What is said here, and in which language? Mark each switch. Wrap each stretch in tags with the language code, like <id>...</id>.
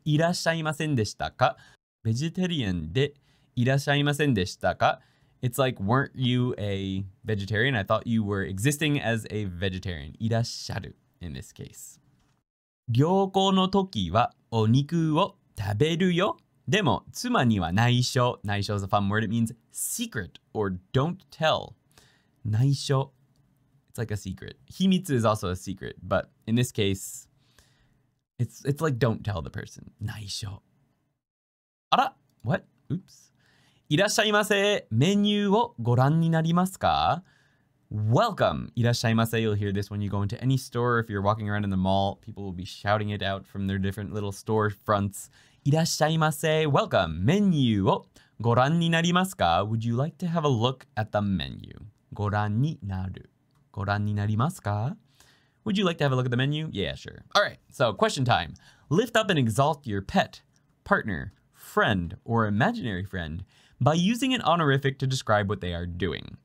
<ja>いらっしゃいませんでしたか?ベジタリアンでいらっしゃいませんでしたか?</ja> <en>It's like, weren't you a vegetarian? I thought you were existing as a vegetarian. いらっしゃる, in this case.</en> <ja>旅行の時はお肉を食べるよ? でも妻には内緒.</ja> <en>内緒 is a fun word. It means secret or don't tell.</en> <ja>内緒.</ja> <en>It's like a secret. 秘密 is also a secret. But in this case, it's like don't tell the person.</en> <ja>内緒.</ja> <en>あら?What? Oops.</en> <ja>いらっしゃいませ. メニューをご覧になりますか?</ja> <en>Welcome.</en> <ja>いらっしゃいませ.</ja> <en>You'll hear this when you go into any store. If you're walking around in the mall, people will be shouting it out from their different little store fronts.</en> <ja>いらっしゃいませ.</ja> <en>Welcome.</en> <ja>メニューをご覧になりますか?</ja> <en>Would you like to have a look at the menu?</en> <ja>ご覧になる。ご覧になりますか?</ja> <en>Would you like to have a look at the menu? Yeah, sure. All right. So, question time. Lift up and exalt your pet, partner, friend, or imaginary friend by using an honorific to describe what they are doing.</en>